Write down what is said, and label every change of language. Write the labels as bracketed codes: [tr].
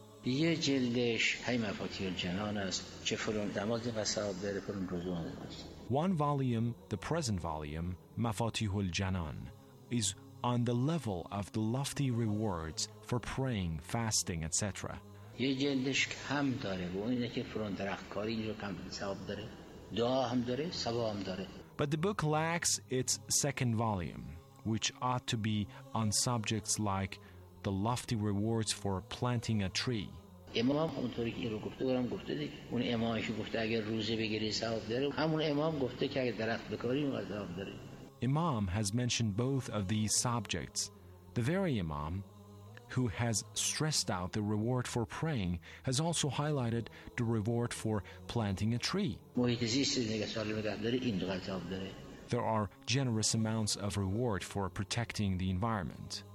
[en] One volume, the present volume, Mafatihul Janan, is on the level of the lofty rewards for praying, fasting, etc. [fa] یه جلدش کم داره و اینه که فرون درخت کاری اینجا کم سواب داره، دعا هم داره، سواب هم داره. [en] But the book lacks its second volume, which ought to be on subjects like the lofty rewards for planting a tree. [fa] امام همونطوری که این رو گفته بارم گفته دیگه، اون امامی که گفته اگر روزه بگیری سواب داره، همون امام گفته که اگر درخت بکاری اینقدر سواب داره. [en] Imam has mentioned both of these subjects. The very Imam who has stressed out the reward for praying has also highlighted the reward for planting a tree. There are generous amounts of reward for protecting the environment.